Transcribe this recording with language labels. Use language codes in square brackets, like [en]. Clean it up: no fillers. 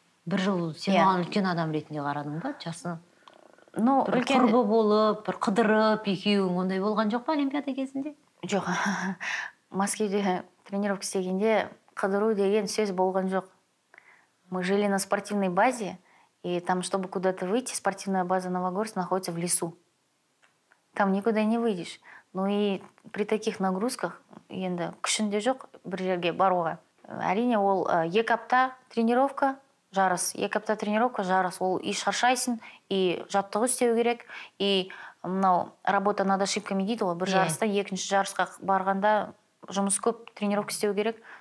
[kk] Бір жыл сен маған үлкен адам ретінде қарадың ба? Жасы. Ну, үлкен құрбы болып, бір қыдырып, екеуің ондай болған жоқ па олимпиада кезінде? Жоқ. Мәскеуде тренировка істегенде қыдыру деген сөз болған жоқ. [ru] Мы жили на спортивной базе. И там, чтобы куда-то выйти, спортивная база «Новогорск» находится в лесу. Там никуда не выйдешь. Ну и при таких нагрузках, [kk] енді күшінде жоқ бір жерге баруға. Әрине, ол екі апта тренировка, жарыс. Екі апта тренировка, жарыс. Ол и шаршайсың, и жаттығы істеу керек. И мынау [ru] работа над ошибками [kk] дейді ол. Бір жарыста, екінші жарысқа барғанда жұмыс көп, тренировка істеу керек.